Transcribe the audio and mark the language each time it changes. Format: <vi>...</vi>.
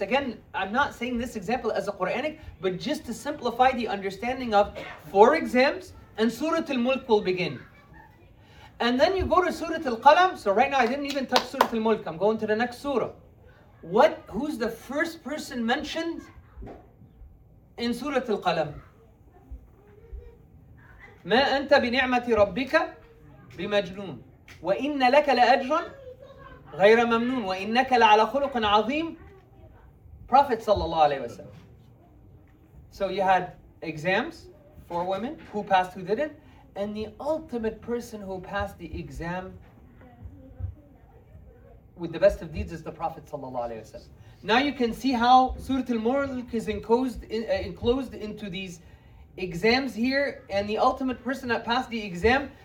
<en>Again, I'm not saying this example as a Quranic, but just to simplify the understanding of four exams and Surah Al-Mulk will begin. And then you go to Surah Al-Qalam. So right now I didn't even touch Surah Al-Mulk. I'm going to the next surah. What? Who's the first person mentioned in Surah Al-Qalam?</en> <ar>مَا أَنْتَ بِنِعْمَةِ رَبِّكَ بِمَجْنُونَ وَإِنَّ لَكَ لَأَجْرًا غَيْرَ مَمْنُونَ وَإِنَّكَ لَعَلَى خُلُقٍ عَظِيمٍ Prophet sallallahu alayhi wa sallam.</ar> <en>So you had exams for women, who passed, who didn't. And the ultimate person who passed the exam with the best of deeds is the Prophet sallallahu alayhi wa sallam. Now you can see how Surah Al-Mulk is enclosed into these exams here, and the ultimate person that passed the exam.</en>